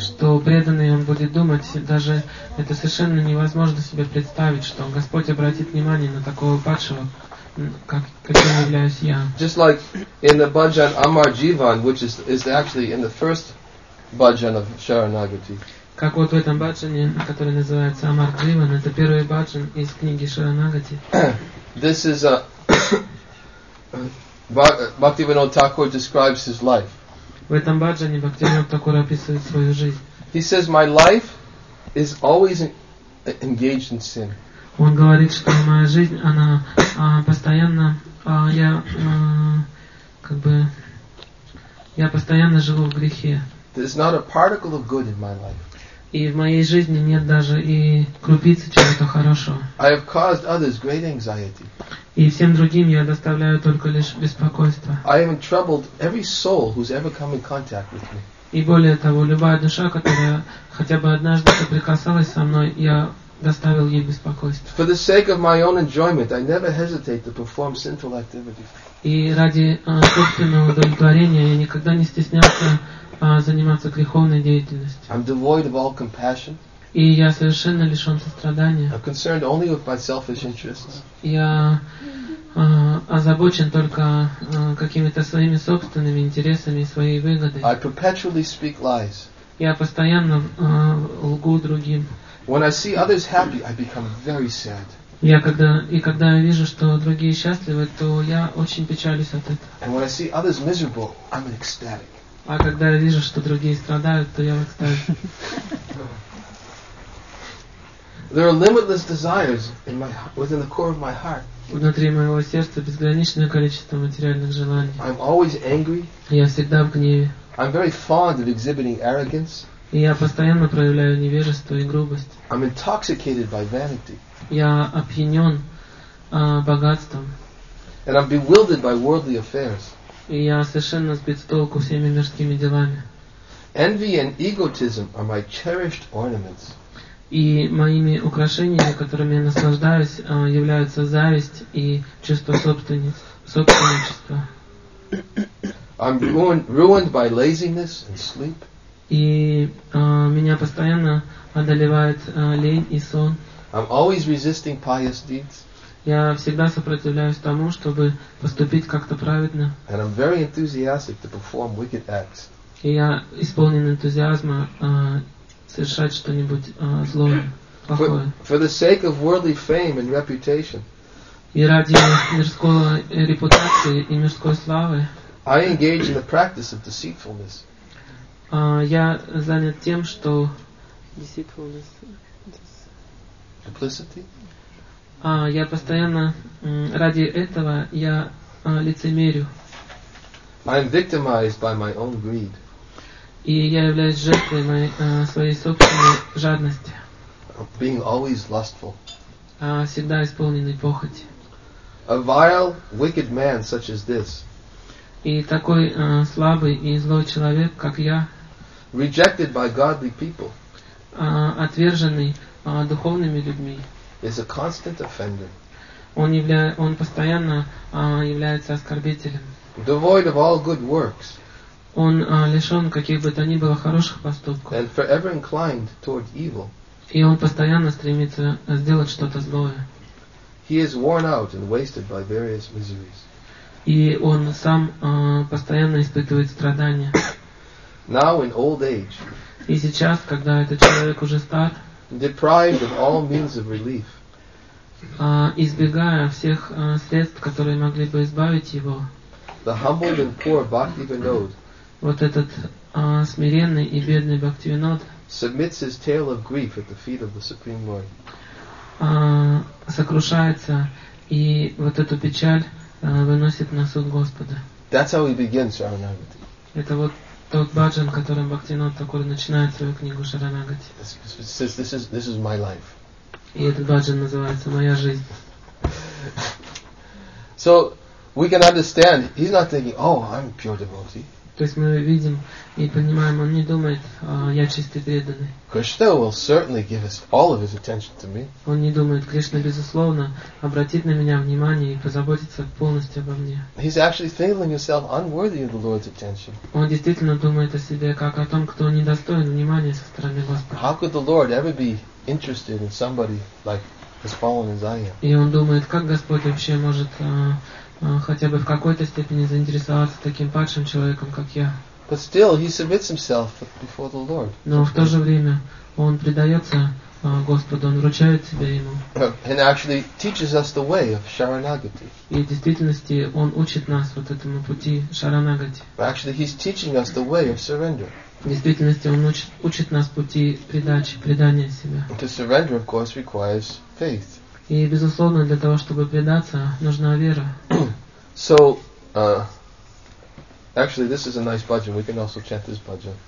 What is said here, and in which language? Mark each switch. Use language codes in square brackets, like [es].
[ru] Что преданный он будет думать, даже это совершенно невозможно себе представить, что Господь обратит внимание на такого падшего, каким являюсь я. [en] Just like in the bhajan Amar Jivan, which is actually in the first bhajan of Sharanagati. [ru] Как вот в этом бхаджане, который называется Amar Jivan, это первый бхаджан из книги Sharanagati. [en] This is a Bhaktivinoda Thakur describes his life. [ru] В этом бхаджане Бхактивинода Такура описывает свою жизнь. [en] He says, "My life is always engaged in sin." [ru] Он говорит, что моя жизнь, она постоянно, я как бы, я постоянно живу в грехе. [en] There's not a particle of good in my life. [ru] И в моей жизни нет даже и крупицы чего-то хорошего. [en] I have caused others great anxiety. [ru] И всем другим я доставляю только лишь беспокойство. [en] I have troubled every soul who's ever come in contact with me. [ru] И более того, любая душа, которая хотя бы однажды соприкасалась со мной, я доставил ей беспокойство. [en] For the sake of my own enjoyment, I never hesitate to perform sinful activities. [ru] И ради собственного удовлетворения я никогда не стеснялся заниматься греховной деятельностью. [en] I'm devoid of all compassion. [ru] И я совершенно лишен сострадания. [en] I'm concerned only with my selfish interests. [ru] Я озабочен только какими-то своими собственными интересами и своей выгодой. [en] I perpetually speak lies. [ru] Я постоянно лгу другим. [en] When I see others happy, I become very sad. [ru] Когда я вижу, что другие счастливы, то я очень печалюсь от этого. [en] And when I see others miserable, I'm an ecstatic. [ru] А когда я вижу, что другие страдают, то я в экстазе. [en] There are limitless desires in my within the core of my heart. [ru] Внутри моего сердца безграничное количество материальных желаний. [en] I'm always angry. [ru] Я всегда в гневе. [en] I'm very fond of exhibiting arrogance. [ru] И я постоянно проявляю невежество и грубость. [en] I'm intoxicated by vanity. [ru] Я опьянен богатством. [en] And I'm bewildered by worldly affairs. [ru] И я совершенно сбит с толку всеми мирскими делами. [en] Envy and egotism are my cherished ornaments. [ru] И моими украшениями, которыми я наслаждаюсь, являются зависть и чувство собственничества. [en] I'm ruined by laziness and sleep. [ru] И меня постоянно одолевает лень и сон. [en] I'm always resisting pious deeds. [ru] Я всегда сопротивляюсь тому, чтобы поступить как-то праведно. [en] And I'm very enthusiastic to perform wicked acts. [ru] И я исполнен энтузиазма совершать что-нибудь злое, плохое. [en] For the sake of worldly fame and reputation. [ru] И ради мирской репутации и мирской славы. [en] I engage in the practice of deceitfulness. [ru] Я занят тем, что [en] duplicity. [ru] Я постоянно ради этого я лицемерю. [en] I am victimized by my own greed. [ru] И я являюсь жертвой моей своей собственной жадности. [en] Being always lustful. [ru] Всегда исполненный похоти. [en] A vile, wicked man such as this. [ru] И такой слабый и злой человек, как я. [en] Rejected by godly people. [ru] Отверженный духовными людьми. [en] Is a constant offender. [ru] Он постоянно является оскорбителем. [en] Devoid of all good works. [ru] Он лишен каких бы то ни было хороших поступков. [en] And forever inclined toward evil. [ru] И он постоянно стремится сделать что-то злое. [en] He is worn out and wasted by various miseries. [ru] И он сам постоянно испытывает страдания. [en] Now in old age. [ru] И сейчас, когда этот человек уже стар. [en] Deprived of all means of relief. [ru] Избегая всех средств, которые могли бы избавить его. [en] The humbled and poor Bhaktivinod. [ru] Вот этот смиренный и бедный Бхактивинод. [en] Submits his tale of grief at the feet of the Supreme Lord. [ru] Сокрушается и вот эту печаль выносит на суд Господа. [en] That's how he begins Sharanagati. [ru] Это вот тот баджан, которым Бхактинот Такур начинает свою книгу Шаранагати. [en] This is my life. [ru] И этот баджан называется «Моя жизнь». [en] So we can understand, he's not thinking, oh, I'm pure devotee. [ru] То есть мы видим и понимаем, он не думает, я чистый преданный. [en] Krishna will certainly give us all of his attention to me. [ru] Он не думает, Кришна безусловно обратит на меня внимание и позаботится полностью обо мне. [en] He's actually feeling himself unworthy of the Lord's attention. [ru] Он действительно думает о себе как о том, кто недостоин внимания со стороны Господа. [en] How could the Lord ever be interested in somebody like as fallen as I am? [ru] И он думает, как Господь вообще может хотя бы в какой-то степени заинтересоваться таким падшим человеком, как я. [en] But still, he submits himself before the Lord. [ru] Но в то же время он предается Господу, он вручает себя ему. [en] And actually teaches us the way of Sharanagati. [ru] И в действительности он учит нас вот этому пути Шаранагати. [en] Actually, he's teaching us the way of surrender. [ru] В действительности он учит нас пути предачи, предания себя. [en] And to surrender, of course, requires faith. [ru] И, безусловно, для того, чтобы предаться, нужна вера. [en] So, Actually, this is a nice bhajan. We can also chant this bhajan.